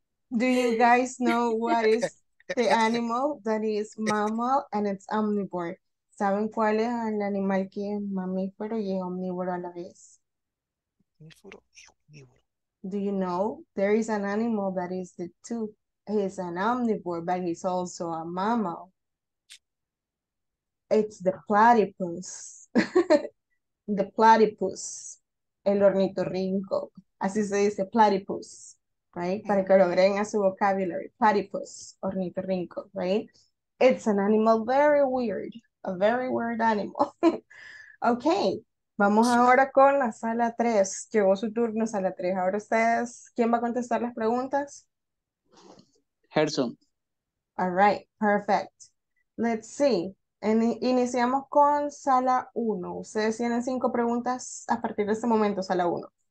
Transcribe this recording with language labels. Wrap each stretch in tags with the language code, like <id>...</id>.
<en>Do you guys know what is the animal that is mammal and it's omnivore?</en> <es>¿Saben cuál es el animal que es mamífero y es omnívoro a la vez? Omnívoro y omnívoro.</es> <en>Do you know? There is an animal that is the two. He's an omnivore, but he's also a mammal. It's the platypus. The platypus.</en> <es>El ornitorrinco. Así se dice, platypus. Right, para que lo agreguen a su vocabulary, platypus, ornitorrinco, right?</es> <en>It's an animal very weird, a very weird animal.</en> <es>Okay, vamos ahora con la sala 3. Llegó su turno, sala 3. Ahora ustedes, ¿quién va a contestar las preguntas? Gerson.</es> <en>All right, perfect. Let's see.</en> <es>Iniciamos con sala 1. Ustedes tienen 5 preguntas a partir de este momento, sala 1.</es>